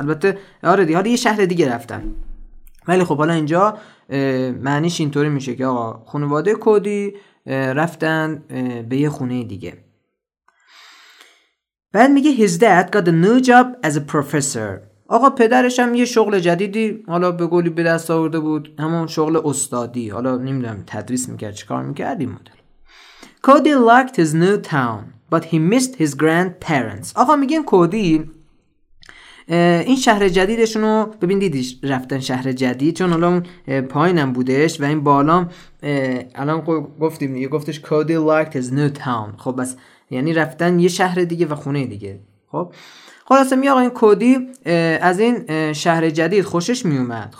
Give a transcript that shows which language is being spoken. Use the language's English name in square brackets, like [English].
[Persian] البته آره دیگه حالا یه شهر دیگه رفتن. ولی خب حالا اینجا معنیش اینطوری میشه که آقا خانواده کودی رفتن به یه خونه دیگه. بعد میگه [English] his dad got a new job as a professor. [Persian] آقا پدرش هم یه شغل جدیدی حالا به گولی به دست آورده بود، همون شغل استادی، حالا نمیدونم تدریس میکرد چیکار میکرد این مدل. [English] Cody liked his new town but he missed his grandparents. [Persian] آقا میگه کودی این شهر جدیدشونو ببین دیدیش رفتن شهر جدید، چون الان پایینم بودش و این بالا الان گفتیم یه گفتش [English] Cody liked his new town. [Persian] خب بس یعنی رفتن یه شهر دیگه و خونه دیگه. خب خلاصه میگه این کودی از این شهر جدید خوشش میومد.